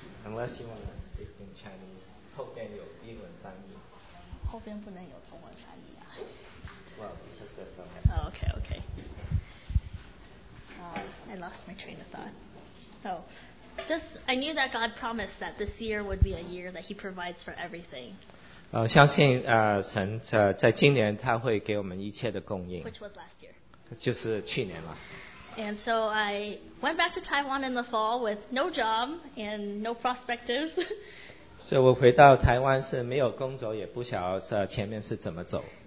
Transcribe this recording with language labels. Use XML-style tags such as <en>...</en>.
<en>Unless you want to speak in Chinese,</en> <zh>后边有英文翻译. 后边不能有中文翻译.</zh> <en>Well, because there's no message. Oh, okay, okay. I lost my train of thought. So, just I knew that God promised that this year would be a year that He provides for everything.</en> <zh>相信, 神, 在今年, 祂会给我们一切的供应.</zh> <en>Which was last year.</en> <zh>就是去年了.</zh> <en>And so I went back to Taiwan in the fall with no job and no prospectives.</en> <zh>So 我回到台湾是没有工作，也不晓得前面是怎么走。</zh>